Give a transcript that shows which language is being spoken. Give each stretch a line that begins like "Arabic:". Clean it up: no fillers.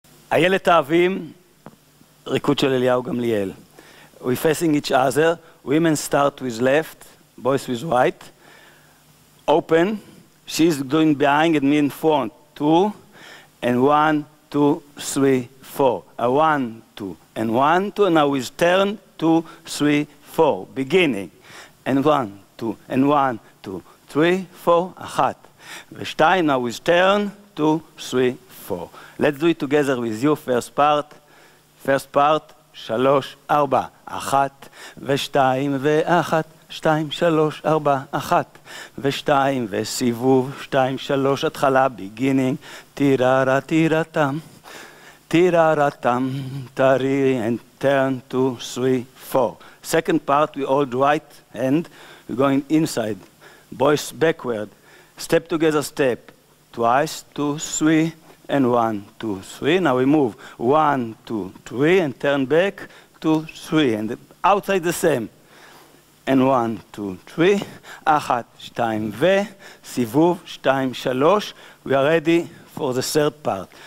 Hebrew: הילד האבים, ריקוד של אליהו גמליאל.
English: We're facing each other, women start with left, boys with right. Open, she's doing behind and me in front. Two, and one, two, three, four. One, two, and one, two, and now we turn, two, three, four. Beginning, and one, two, and one, two, three, four, אחת. ושתיים, now we turn, two, three, four. Let's do it together with you, first part.
Hebrew: First part, שלוש, ארבע, אחת, ושתיים, ואחת. שתיים, שלוש, ארבע, אחת, ושתיים, וסיבוב, שתיים, שלוש, התחלה, beginning, תירה, תירה, תם, תירה, תם, תרי, and turn, two, three, four.
English: Second part, we hold right hand, we're going inside, boys backward, step together, step, twice, two, three, and one, two, three, now we move, one, two, three, and turn back, two, three, and outside the same, and one, two, three, אחת, שתיים, ו, סיבוב, שתיים, שלוש, we are ready for the third part.